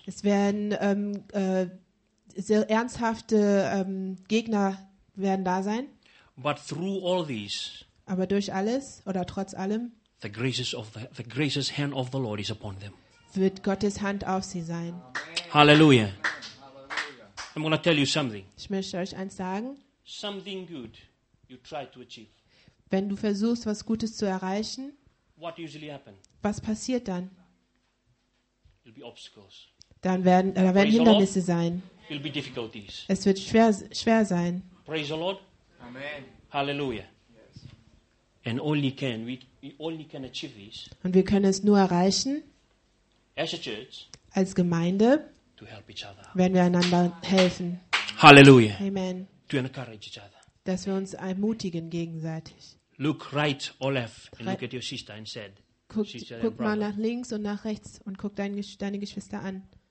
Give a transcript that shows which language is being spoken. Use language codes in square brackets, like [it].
[de] Es werden sehr ernsthafte Gegner werden da sein. [en] But through all these, [de] aber durch alles oder trotz allem, [en] the gracious hand of the Lord is upon them. [de] Wird Gottes Hand auf sie sein. [en] Hallelujah. I'm going to tell you something. [de] Ich möchte euch eins sagen. [en] Something good you try to achieve. [de] Wenn du versuchst, was Gutes zu erreichen, [en] what usually happen? [de] Was passiert dann? [en] It'll be obstacles. [de] Dann werden, da werden Hindernisse sein. [en] It'll be difficulties. [de] Es wird schwer sein. [en] Praise the Lord. Amen. Hallelujah. Yes. And only can we only can achieve this. [de] Und wir können es nur erreichen. [en] As a church, [de] als Gemeinde, [en] to help each other. [de] Wenn wir einander helfen. Hallelujah. Amen. [en] To encourage each other. [de] Dass wir uns ermutigen gegenseitig. [en] Look right or left and look at your sister and said. [de] Guck mal nach links und nach rechts und guck deine Geschwister an.